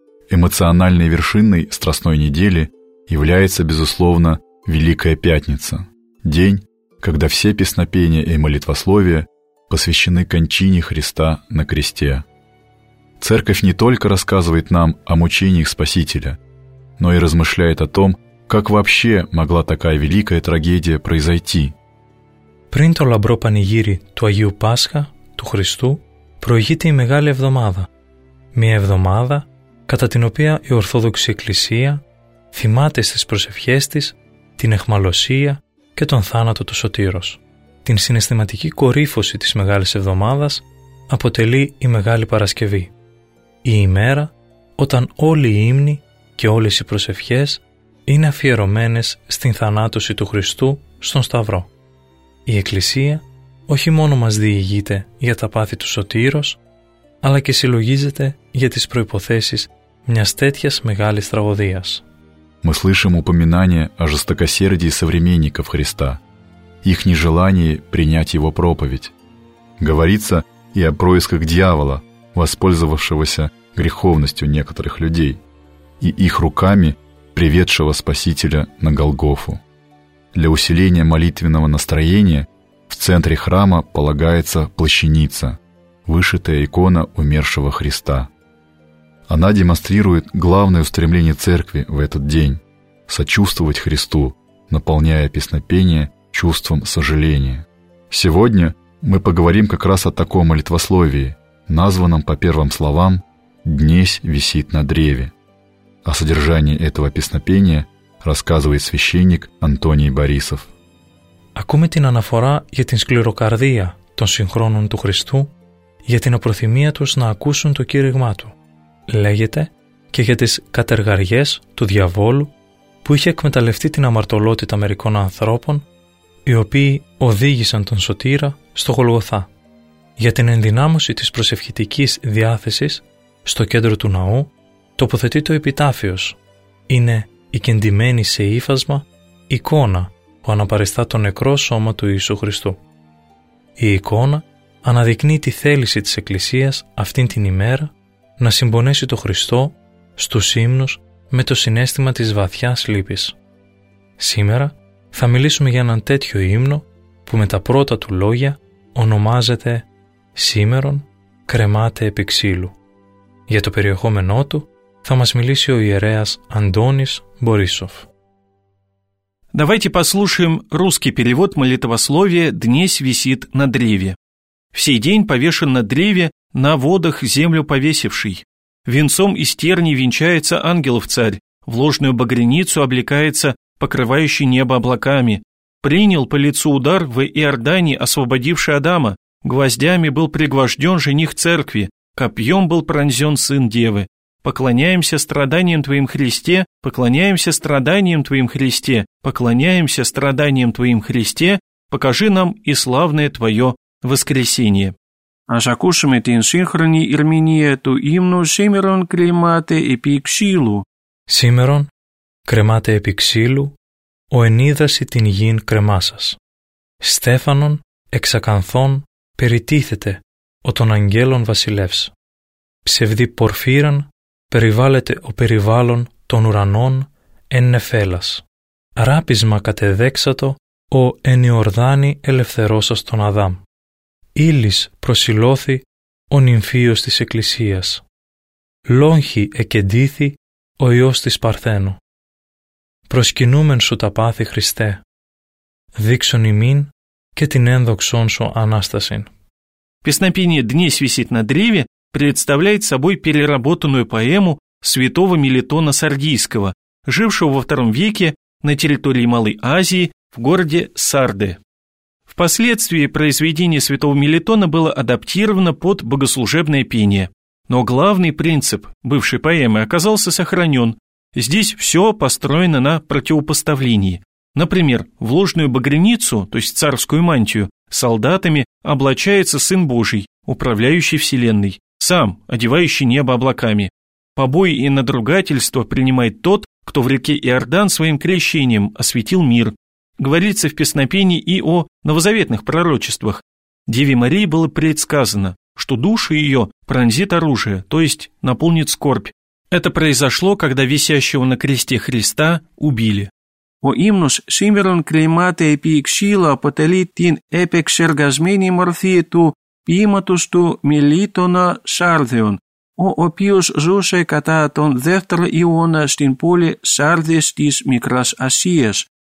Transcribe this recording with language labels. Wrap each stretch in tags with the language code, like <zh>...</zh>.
<ru>Эмоциональной вершиной Страстной недели является, безусловно, Великая Пятница, день, когда все песнопения и молитвословия посвящены кончине Христа на кресте. Церковь не только рассказывает нам о мучениях Спасителя, но и размышляет о том, как вообще могла такая великая трагедия произойти.</ru> <el>Πριν το λαμπρό πανηγύρι του Αγίου Πάσχα, του Χριστού, προηγείται η Μεγάλη Εβδομάδα. Μια εβδομάδα κατά την οποία η Ορθόδοξη Εκκλησία θυμάται στις προσευχές της την αιχμαλωσία και τον θάνατο του Σωτήρος. Την συναισθηματική κορύφωση της Μεγάλης Εβδομάδας αποτελεί η Μεγάλη Παρασκευή. Η ημέρα όταν όλοι οι ύμνοι και όλες οι προσευχές είναι αφιερωμένες στην θανάτωση του Χριστού στον Σταυρό. Η Εκκλησία όχι μόνο μας διηγείται για τα πάθη του Σωτήρος, αλλά και συλλογίζεται για τις προϋποθέσεις μιας τέτοιας μεγάλης τραγωδίας.</el> <ru>Мы слышим упоминание о жестокосердии современников Христа, их нежелании принять его проповедь. Говорится и о происках дьявола, воспользовавшегося греховностью некоторых людей, и их руками приведшего Спасителя на Голгофу. Для усиления молитвенного настроения в центре храма полагается плащаница, вышитая икона умершего Христа. Она демонстрирует главное устремление церкви в этот день – сочувствовать Христу, наполняя песнопение чувством сожаления. Сегодня мы поговорим как раз о таком молитвословии, названном по первым словам «Днесь висит на древе». О содержании этого песнопения рассказывает священник Антоний Борисов.</ru> <el>Ακούμε την αναφορά για την σκληροκαρδία των συγχρόνων του Χριστού, για την απροθυμία τους να ακούσουν το κήρυγμά του. Λέγεται και για τις κατεργαριές του διαβόλου που είχε εκμεταλλευτεί την αμαρτωλότητα μερικών ανθρώπων, οι οποίοι οδήγησαν τον Σωτήρα στο Γολγοθά. Για την ενδυνάμωση της προσευχητικής διάθεσης στο κέντρο του ναού τοποθετείται ο επιτάφιος. Είναι η κεντημένη σε ύφασμα εικόνα που αναπαριστά το νεκρό σώμα του Ιησού Χριστού. Η εικόνα αναδεικνύει τη θέληση της Εκκλησίας αυτήν την ημέρα να συμπονέσει το Χριστό στους ύμνους με το συνέστημα της βαθιάς λύπης. Σήμερα θα μιλήσουμε για έναν τέτοιο ύμνο που με τα πρώτα του λόγια ονομάζεται «Σήμερον κρεμάται επί ξύλου». Για το περιεχόμενό του θα μας μιλήσει ο ιερέας Αντώνης Μπορίσοφ.</el> <ru>Давайте послушаем русский перевод молитвословия «Днесь висит на древе». «Всей день повешен на древе, на водах землю повесивший. Венцом из терни венчается ангелов царь, в ложную багряницу облекается, покрывающий небо облаками. Принял по лицу удар в Иордане, освободивший Адама. Гвоздями был пригвожден жених церкви, копьем был пронзен сын девы. Поклоняемся страданиям Твоим, Христе, поклоняемся страданиям Твоим, Христе, поклоняемся страданиям Твоим, Христе, покажи нам и славное Твое воскресение».</ru> <el>Ας ακούσουμε την σύγχρονη ερμηνεία του ύμνου «Σήμερον κρεμάται επί ξύλου». «Σήμερον κρεμάται επί ξύλου, ο ενίδαση την γην κρεμά σας. Στέφανον εξακανθών περιτίθεται ο των αγγέλων βασιλεύς. Ψευδή πορφύραν περιβάλλεται ο περιβάλλον των ουρανών εν νεφέλας. Ράπισμα κατεδέξατο ο εν Ιορδάνη ελευθερώσας τον Αδάμ. Ύλης προσιλώθη ο νυμφίος της εκκλησίας. Λόγχη εκεντήθη ο Υιός της Παρθένου. Προσκυνούμεν σου τα πάθη Χριστέ. Δείξον ημίν και την ένδοξόν σου Ανάστασιν».</el> <ru>Песнопение «Днесь висит на древе» представляет собой переработанную поэму святого Мелитона Саргийского, жившего во II веке на территории Малой Азии в городе Сарды. Впоследствии произведение святого Мелитона было адаптировано под богослужебное пение. Но главный принцип бывшей поэмы оказался сохранен. Здесь все построено на противопоставлении. Например, в ложную багряницу, то есть царскую мантию, солдатами облачается Сын Божий, управляющий Вселенной, сам, одевающий небо облаками. Побои и надругательство принимает тот, кто в реке Иордан своим крещением осветил мир. Говорится в песнопении и о новозаветных пророчествах. Деве Марии было предсказано, что душу ее пронзит оружие, то есть наполнит скорбь. Это произошло, когда висящего на кресте Христа убили.</ru> <el>Ο ύμνος «Σήμερον κρεμάται επί ξύλου» αποτελεί την επεξεργασμένη μορφή του ποίηματος του Μελίτωνα Σάρδεων, ο οποίος ζούσε κατά τον 2ο αιώνα στην πόλη Σάρδης της Μικράς Ασίας.</el>